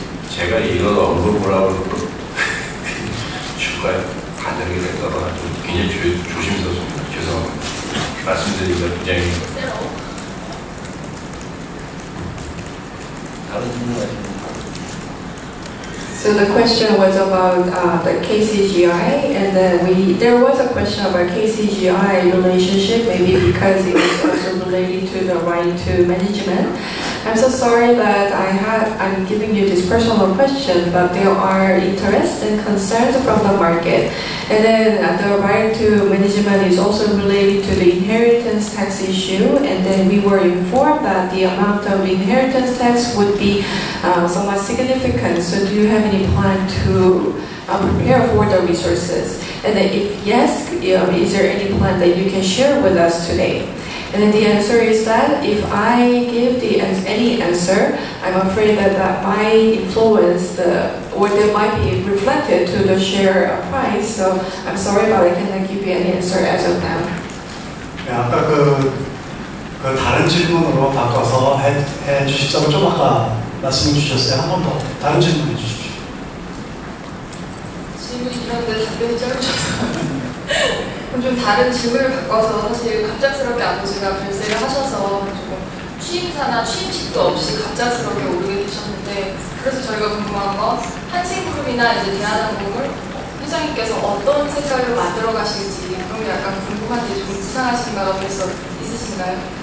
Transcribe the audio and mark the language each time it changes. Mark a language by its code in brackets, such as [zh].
[ko] 제가 이걸 언급을 하고 추가에 반응이 될까봐 좀 굉장히 조심스럽습니다. 죄송합니다. 말씀드리기가 굉장히 다른 질문 아니 [en] So the question was about the KCGI, and then there was a question about KCGI relationship, maybe because it was also related to the right to management. I'm so sorry that I'm giving you this personal question, but there are interests and concerns from the market. And then the right to management is also related to the inheritance tax issue, and then we were informed that the amount of inheritance tax would be somewhat significant. So do you have any plan to prepare for the resources? And then if yes, is there any plan that you can share with us today? And then the answer is that if I give any answer, I'm afraid that my influence, or that might be reflected to the share price. So I'm sorry, but I cannot give you any answer as of now. [ko] 네, 아까 그 다른 질문으로 바꿔서 해 주십사고 좀 아까 말씀 주셨어요. 한 번 더 다른 질문 해 주십시오. 질문이 있는데 답변이 짧으셔서. 좀 다른 질문을 바꿔서 사실 갑작스럽게 아버지가 별세를 하셔서 조금 취임사나 취임식도 없이 갑작스럽게 오르게 되셨는데 그래서 저희가 궁금한 건 한진그룹이나 이제 대한항공을 회장님께서 어떤 색깔로 만들어 가실지 그런 게 약간 궁금한데 좀 수상하신 바가 벌써 있으신가요?